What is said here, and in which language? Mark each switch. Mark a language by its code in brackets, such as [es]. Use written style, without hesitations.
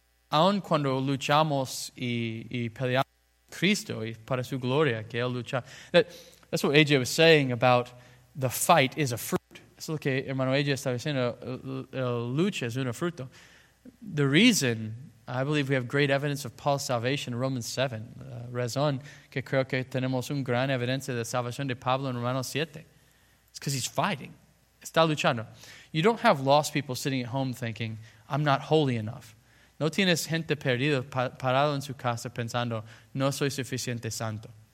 [es] Aún cuando luchamos y peleamos Cristo y para su gloria, que Él lucha. [en] That's what AJ was saying about the fight is a fruit. [es] Eso es lo que hermano Ella estaba diciendo, el lucha es un fruto. [en] The reason, I believe we have great evidence of Paul's salvation in Romans 7. [es] La razón que creo que tenemos un gran evidencia de salvación de Pablo en Romanos 7. [en] It's because he's fighting. [es] Está luchando. [en] You don't have lost people sitting at home thinking, I'm not holy enough. [es] No tienes gente perdida parado en su casa pensando, no soy suficiente santo.